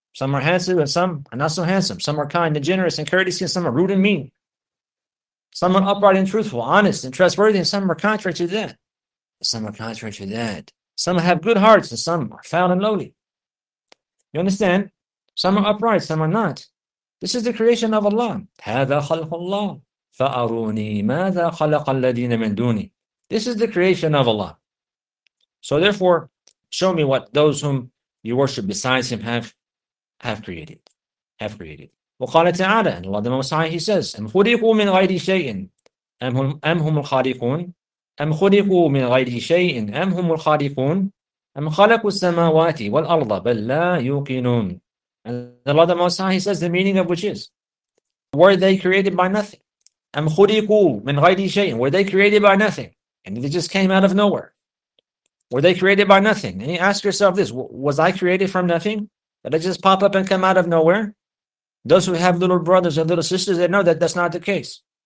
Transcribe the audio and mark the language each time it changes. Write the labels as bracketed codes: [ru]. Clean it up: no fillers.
[en] Some are handsome and some are not so handsome. Some are kind and generous and courteous and some are rude and mean. Some are upright and truthful, honest and trustworthy and some are contrary to that. Some are contrary to that. Some have good hearts and some are foul and lowly. You understand? Some are upright, some are not. This is the creation of Allah. [ar] هَذَا خَلْقُ اللَّهِ فَأَرُونِي مَاذَا خَلَقَ الَّذِينَ مِن دُونِي [en] This is the creation of Allah. So therefore, show me what those whom you worship besides Him have created. [ar] وَقَالَ تَعَالَى [en] And Allah the Most High, He says, [ar] أَمْ خُلِقُوا مِنْ غَيْرِ شَيْءٍ أَمْ هُمُ الْخَالِقُونَ أَمْ خُلِقُوا مِنْ غَيْرِ شَيْءٍ أَمْ هُمُ الْخَالِقُونَ أَمْ خَلَقُوا السَّمَاوَاتِ وَالْأَرْضَ بَلْ لَا يُوقِنُونَ [en] And Allah the Most High, He says, the meaning of which is, were they created by nothing? [ar] أَمْ خُلِقُوا مِنْ غَيْرِ شَيْءٍ [en] Were they created by nothing? And they just came out of nowhere. Were they created by nothing? And you ask yourself this, was I created from nothing? Did I just pop up and come out of nowhere? Those who have little brothers and little sisters, they know that that's not the case.